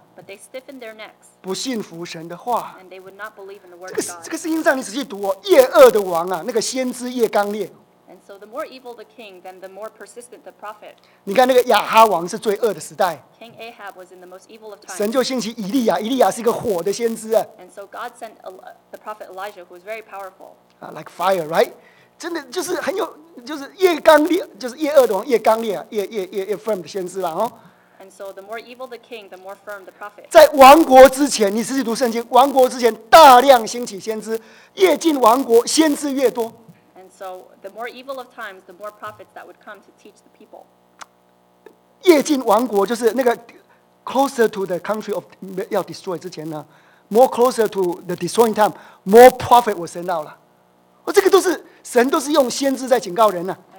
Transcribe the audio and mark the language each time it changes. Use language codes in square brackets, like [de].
[en] But they stiffened their necks. [zh] 不信服神的话。 [en] And they would not believe in the word of God. [zh] 这个圣经上你仔细读哦，夜恶的王啊，那个先知夜刚烈。 [en] And so the more evil the king, then the more persistent the prophet. [zh] 你看那个亚哈王是最恶的时代。 [en] King Ahab was in the most evil of times. [zh] 神就兴起以利亚，以利亚是一个火的先知啊。 [en] And so God sent the prophet Elijah, who was very powerful. Like fire, right? [zh] 真的就是很有，就是越刚烈，就是越恶的王越刚烈，越 firm 的先知啦，哦。 [en] And so the more evil the king, the more firm the prophet. [zh] 在亡国之前，你仔细读圣经，亡国之前大量兴起先知，越近亡国，先知越多。 [en] So the more evil of times, the more prophets that would come to teach the people. [zh] 越近亡国就是那个 [en] closer to the country of 要 destroy [zh] 之前呢 [en] ，more closer to the destroying time, more prophet will send out 了。 [zh] 这个都是神都是用先知在警告人呢、啊。